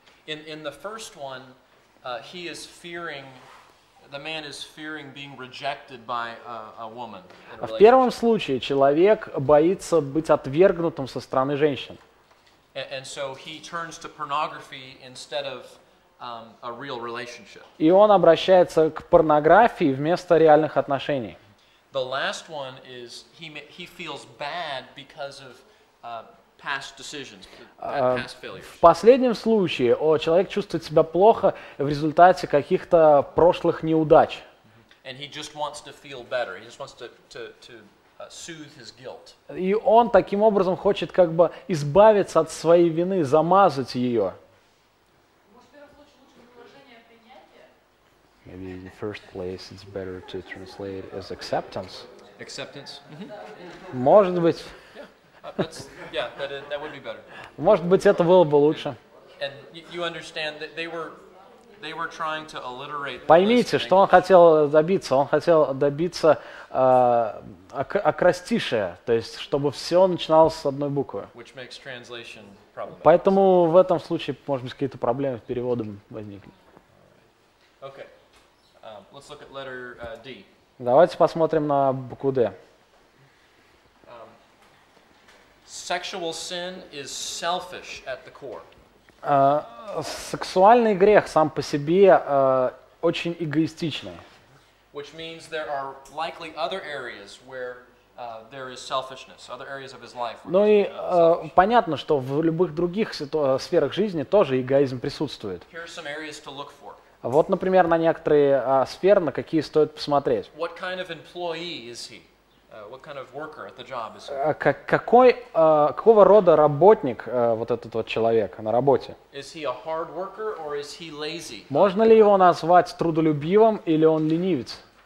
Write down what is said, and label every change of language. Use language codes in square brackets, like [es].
[en] In the first one, he is fearing, the man is fearing being rejected by a woman. [ru] В первом случае человек боится быть отвергнутым со стороны женщин. [en] And so he turns to pornography instead of a real relationship. [ru] И он обращается к порнографии вместо реальных отношений. [en] The last one is he feels bad because of past decisions, past failures. [ru] В последнем случае человек чувствует себя плохо в результате каких-то прошлых неудач. [en] And he just wants to feel better. He just wants to soothe his guilt. [ru] И он таким образом хочет как бы избавиться от своей вины, замазать ее. [en] Maybe in the first place it's better to translate as acceptance. Acceptance. [ru] Mm-hmm. Может быть. [en] That would be better. [ru] Может быть, это было бы лучше. [en] And you understand that they were trying to alliterate. [ru] Поймите, что он хотел добиться. Он хотел добиться окрастишее, то есть, чтобы все начиналось с одной буквы. [en] Which makes translation problematic. [ru] Поэтому в этом случае, может быть, какие-то проблемы с переводом возникли. [en] Okay. Let's look at letter D. [ru] Давайте посмотрим на букву D. [en] Sexual sin is selfish at the core. [ru] Сексуальный грех сам по себе очень эгоистичный. [en] Which means there are likely other areas where there is selfishness, other areas of his life. [ru] Ну и понятно, что в любых других сферах жизни тоже эгоизм присутствует. [en] Here are some areas to look for. [ru] Вот, например, на некоторые сферы, на какие стоит посмотреть. [en] What kind of employee is he? What kind of worker at the job is he? [ru] Какого рода работник вот этот вот человек на работе? [en] Is he a hard worker or is he lazy? [ru] Можно ли его назвать трудолюбивым или он ленивец?